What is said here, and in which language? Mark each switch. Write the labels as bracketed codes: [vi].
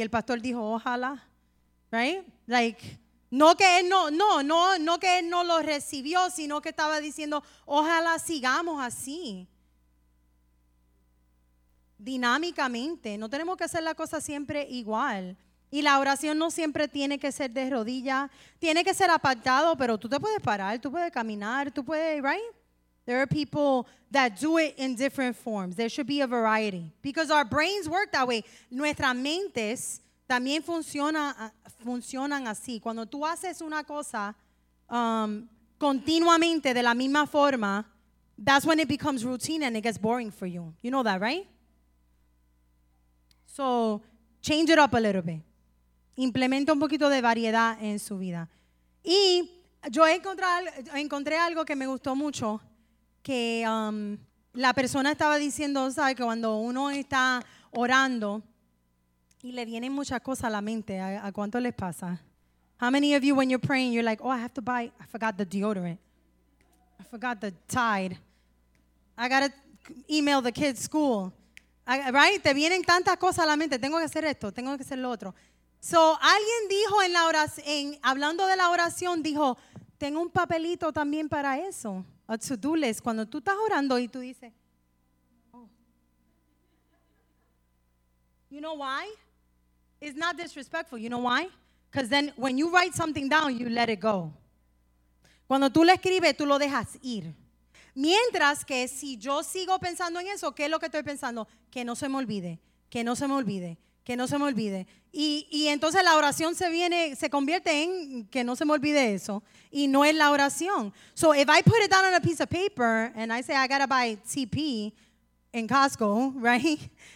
[es] Y el pastor dijo, ojalá, right? Like, No que él no lo recibió, sino que estaba diciendo, ojalá sigamos así, dinámicamente. No tenemos que hacer la cosa siempre igual. Y la oración no siempre tiene que ser de rodillas. Tiene que ser apartado, pero tú te puedes parar, tú puedes caminar, tú puedes, right? [en] There are people that do it in different forms. There should be a variety. Because our brains work that way. [es] Nuestras mentes también funcionan así. Cuando tú haces una cosa continuamente de la misma forma, [en] that's when it becomes routine and it gets boring for you. You know that, right? So, change it up a little bit. [es] Implementa un poquito de variedad en su vida. Y Yo encontré algo que me gustó mucho, que la persona estaba diciendo, ¿sabes? Que cuando uno está orando y le vienen muchas cosas a la mente, ¿a cuánto les pasa? [en] How many of you, when you're praying, you're like, oh, I have to buy, I forgot the deodorant. I forgot the Tide. I gotta email the kids school. Right? [es] Te vienen tantas cosas a la mente. Tengo que hacer esto, tengo que hacer lo otro. So, alguien dijo en la oración, hablando de la oración, dijo, tengo un papelito también para eso. [en] A to-do list. [es] Cuando tú estás orando y tú dices, oh. [en] You know why? It's not disrespectful. You know why? Because then when you write something down, you let it go. [es] Cuando tú le escribes, tú lo dejas ir. Mientras que si yo sigo pensando en eso, ¿qué es lo que estoy pensando? Que no se me olvide, que no se me olvide, que no se me olvide. Y entonces la oración se convierte en que no se me olvide eso. Y no es la oración. [en] So if I put it down on a piece of paper and I say I gotta buy TP in Costco, right?